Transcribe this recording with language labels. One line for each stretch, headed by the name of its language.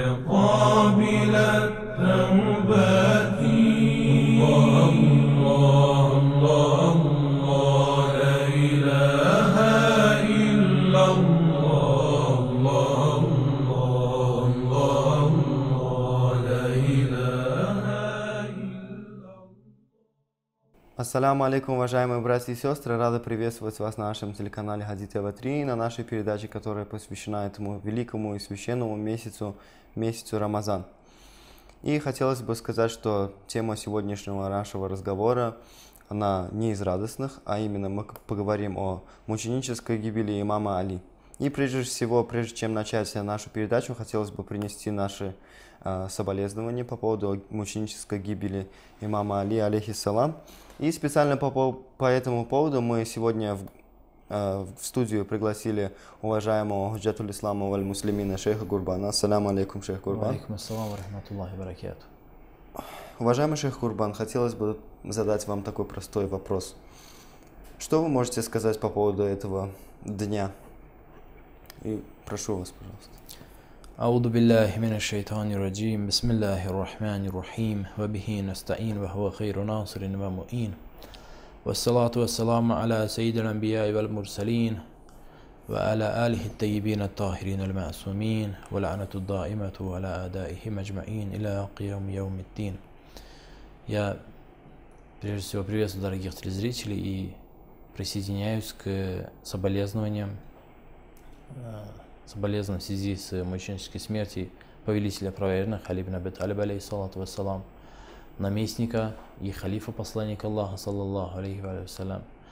Arabic: قابل التوبات الله الله الله لا إله إلا الله الله لا إله إلا الله.
Russian: Ассаляму алейкум, уважаемые братья и сестры, рады приветствовать вас на нашем телеканале Хадид ТВ 3, на нашей передаче, которая посвящена этому великому и священному месяцу, месяцу Рамазан. И хотелось бы сказать, что тема сегодняшнего нашего разговора, она не из радостных, а именно мы поговорим о мученической гибели имама Али. И прежде чем начать нашу передачу, хотелось бы принести наши соболезнования по поводу мученической гибели имама Али, алейхиссалам. И специально по этому поводу мы сегодня в студию пригласили уважаемого Худжатуль Ислама валь Муслимина шейха Гурбана. Ассаляму алейкум, шейх Гурбан.
Arabic: Алейкум ассалам ва рахматуллахи ва баракату.
Russian: Уважаемый шейх Гурбан, хотелось бы задать вам такой простой вопрос. Что вы можете сказать по поводу этого дня? И прошу вас, пожалуйста.
Arabic: أعوذ بالله من الشيطان الرجيم بسم الله الرحمن الرحيم وبه نستعين وهو خير ناصر ومؤين والصلاة والسلام على سيد الأنبياء والمرسلين وعلى آله الطيبين الطاهرين المعصومين ولعنة الدائمة على أعدائهم أجمعين إلى قيام يوم الدين.
Russian: Я прежде всего приветствую дорогих телезрителей и присоединяюсь к соболезнованиям. Соболезнованием в связи с мученической смертью повелителя правоверных Али ибн Абу Талиб, алейхиссалату вассалам, наместника и халифа посланника Аллаха, саллаллаху алейхи ва саллям.